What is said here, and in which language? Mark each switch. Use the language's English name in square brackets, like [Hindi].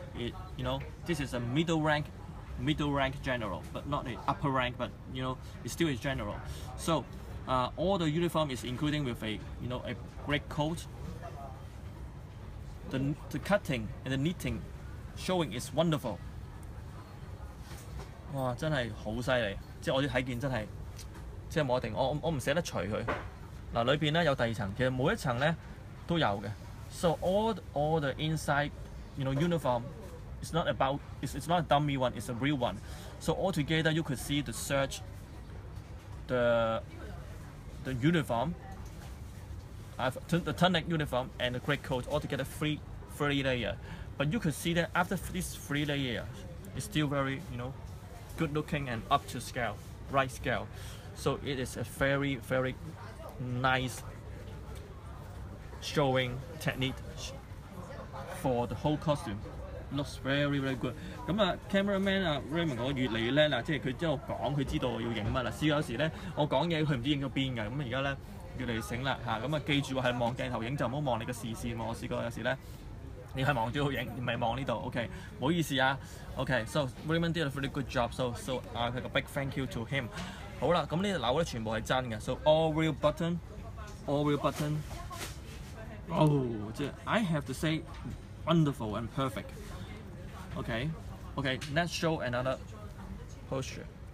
[English] It, you know, this is a middle rank general, but not an upper rank, but you know, it's still a general. So all the uniform is including with a, you know, a great coat. The cutting and the knitting showing is wonderful. [Cantonese] Wow, 真係好犀利！即係我睇件真係，即係冇得定，我唔捨得除佢。嗱，裏邊咧有第二層，其實每一層咧都有嘅。 [English] So all the inside, you know, uniform, it's not a dummy one, it's a real one. So altogether, you could see the search, the uniform, the tunic uniform and the greatcoat altogether three layer. But you could see that after this three layer, it's still very, you know, good looking and up to scale, right scale. So it is a very very nice showing technique for the whole costume. Looks very very good. [Cantonese] 咁啊 ，cameraman 啊 Raymond 哥越嚟越叻啦，即係佢之後講佢知道要影乜啦。試過有時咧，我講嘢佢唔知影咗邊嘅，咁而家咧越嚟越醒啦嚇。咁啊，記住係望鏡頭影，就唔好望你嘅視線。我試過有時咧，你係望住度影，唔係望呢度。 OK， 唔好意思啊。 [English] OK， so Raymond did a really good job. So I a big thank you to him. [Cantonese] 好啦，咁呢只樓咧全部係真嘅 ， [English] so all real button， [Cantonese] 哦、oh, ，即係 [English] I have to say wonderful and perfect。 Okay， let's show another posture。